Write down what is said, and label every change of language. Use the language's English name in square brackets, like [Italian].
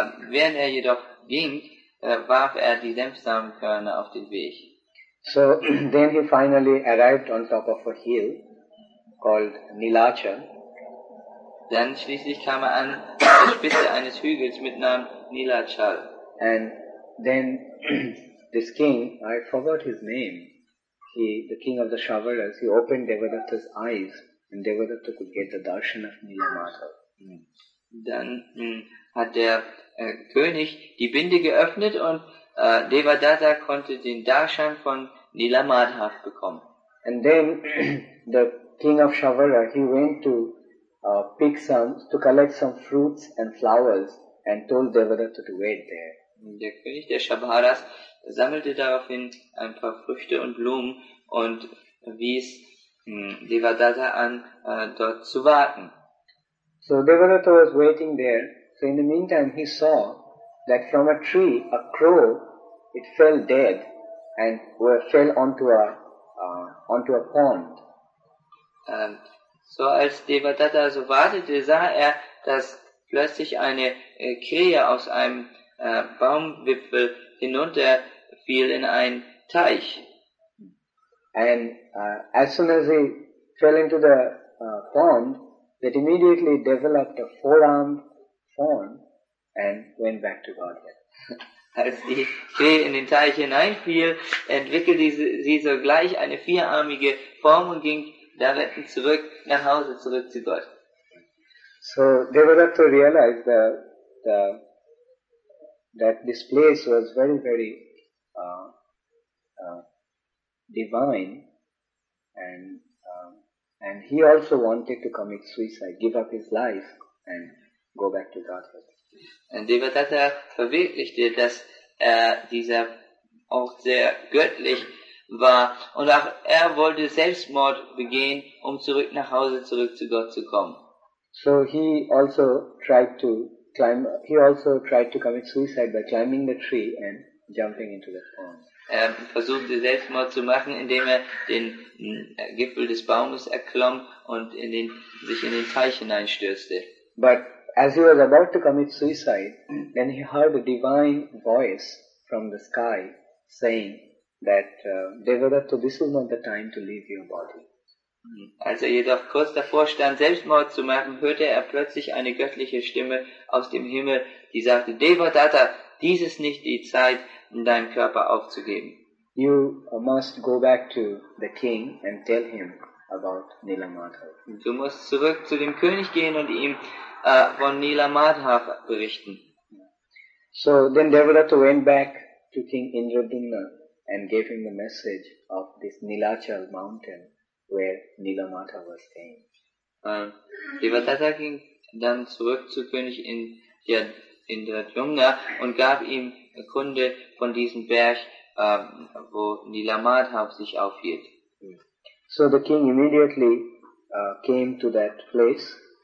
[German] Während er jedoch ging, warf er die Senfsamenkörner auf den Weg. [English] So then he finally arrived on top of a hill called Nilachal. [German] Dann schließlich kam er an der Spitze eines Hügels mit Namen Nilachal. [English] And then this king, I forgot his name. the king of the Shravakas, he opened Devadatta's eyes and Devadatta could get the darshan of Nilamata. [German] Dann hat der König die Binde geöffnet und Devadatta konnte den Darshan von Nilamadha bekommen. [English] And then the king of Shravaka, he went to pick some, to collect some fruits and flowers and told Devadatta to wait there. [German] Der König der Shravakas sammelte daraufhin ein paar Früchte und Blumen und wies Devadatta an, dort zu warten. [English] So Devadatta was waiting there. So in the meantime, he saw that from a tree, a crow, it fell dead and fell onto a pond. [German] So als Devadatta so wartete, sah er, dass plötzlich eine Krähe aus einem Baumwipfel hinunterfiel in einen Teich. [English] And as soon as he fell into the pond, that immediately developed a four-armed fawn and went back to Godhead. [German] Als die Krähe in den Teich hineinfiel, entwickelte sie sogleich eine vierarmige Form und ging darin zurück nach Hause, zurück zu Gott. [English] So Devadatta realized that this place was very, very divine, and he also wanted to commit suicide, give up his life and go back to Godhead. [German] Und Devadatta verwirklichte, dass dieser Ort sehr göttlich war und auch er wollte Selbstmord begehen, um zurück nach Hause, zurück zu Gott zu kommen. [English] So he also tried to climb, commit suicide by climbing the tree and jumping into the pond. [German] Er versuchte Selbstmord zu machen, indem er den Gipfel des Baumes erklomm und sich in den Teich hineinstürzte. [English] But as he was about to commit suicide, then he heard a divine voice from the sky saying that, Devadatta, this is not the time to leave your body. [German] Als er jedoch kurz davor stand, Selbstmord zu machen, hörte er plötzlich eine göttliche Stimme aus dem Himmel, die sagte, Devadatta, dies ist nicht die Zeit, deinen Körper aufzugeben. [English] You must go back to the king and tell him about Nilamadha. [German] Du musst zurück zu dem König gehen und ihm von Nilamadha berichten. [English] So then Devadatta went back to King Indradumna and gave him the message of this Nilachal mountain where Nilamadha was staying. [German] Devadatta ging dann zurück zu König Indradumna und gab ihm Kunde von diesem Berg, wo Nilamadha sich aufhielt. [English] So the king immediately came to that place.